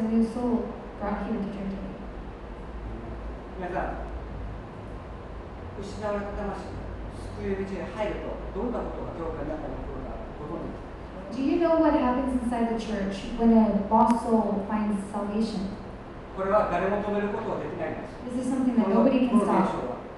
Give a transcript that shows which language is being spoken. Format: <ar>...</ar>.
<en>There is a new soul brought here to drink today.</en> <ja>皆さん、失われた魂が救いの道に入るとどんなことが教会の中に起こるかご存知ですか？</ja> <en>Do you know what happens inside the church when a lost soul finds salvation? This is something that nobody can stop.</en>